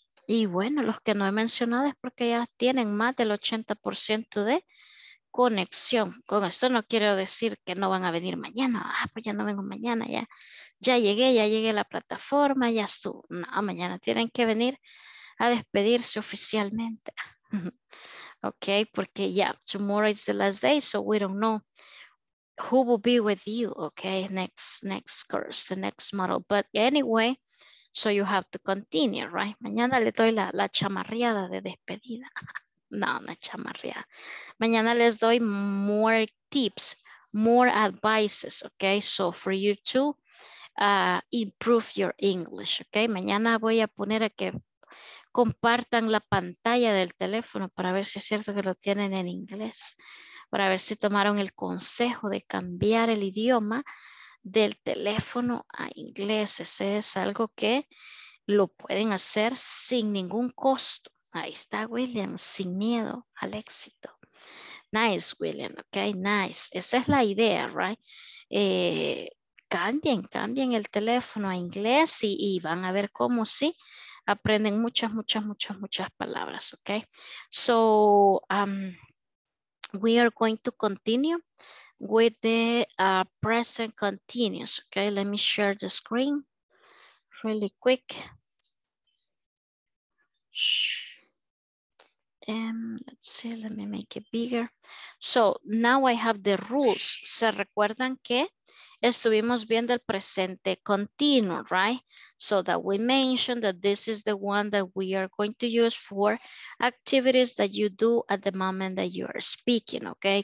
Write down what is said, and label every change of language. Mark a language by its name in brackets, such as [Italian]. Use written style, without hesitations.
[Spanish] Y bueno, los que no he mencionado es porque ya tienen más del 80% de conexión. Con esto no quiero decir que no van a venir mañana. Ah, pues ya no vengo mañana, ya llegué a la plataforma, ya estuvo. No, mañana tienen que venir a despedirse oficialmente. [English] Ok, [Spanish] porque ya, [English] yeah, tomorrow is the last day, so we don't know who will be with you, okay, next course, the next model. But anyway, so you have to continue, right? [Spanish] Mañana le doy la chamarreada de despedida. No, no chamarreada. Mañana les doy [English] more tips, more advices, okay? So for you to improve your English, okay? [Spanish] Mañana voy a poner a que compartan la pantalla del teléfono para ver si es cierto que lo tienen en inglés, para ver si tomaron el consejo de cambiar el idioma del teléfono a inglés. Ese es algo que lo pueden hacer sin ningún costo. Ahí está William, sin miedo al éxito. [English] Nice, William, ok, nice. [Spanish] Esa es la idea, [English] right? [Spanish] Cambien el teléfono a inglés y van a ver cómo sí aprenden muchas palabras, ok. [English] So, we are going to continue with the present continuous. Okay, let me share the screen really quick. Let's see, let me make it bigger. So now I have the rules. [Spanish] ¿Se recuerdan que estuvimos viendo el presente continuo, [English] right? So that we mentioned that this is the one that we are going to use for activities that you do at the moment that you are speaking, okay?